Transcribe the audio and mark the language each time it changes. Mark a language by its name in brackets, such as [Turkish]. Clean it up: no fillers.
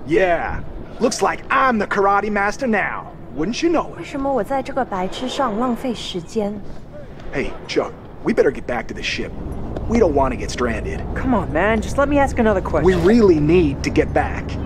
[English] Yeah, looks like I'm the karate master now. Wouldn't you know it? [Chinese] 为什么我在这个白痴上浪费时间? [English] Hey, Chuck, we better get back to the ship. We don't want to get stranded. Come on, man, just let me ask another question. We really need to get back.